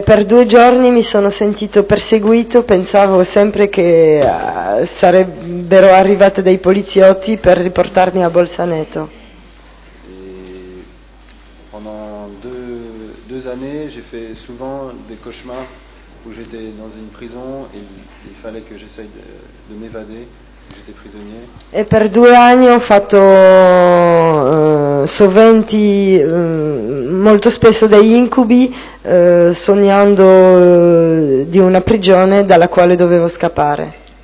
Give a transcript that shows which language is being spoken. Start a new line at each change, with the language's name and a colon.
Italian: Per 2 giorni mi sono sentito perseguito, pensavo sempre che sarebbero arrivati dei poliziotti per riportarmi a Bolzaneto.
French: Pendant 2 années, j'ai fait souvent des cauchemars où j'étais dans une prison et il fallait que j'essaye de m'évader, que j'étais prisonnier.
Italian: E per 2 anni ho fatto soventi molto spesso degli incubi sognando di una prigione dalla quale dovevo scappare.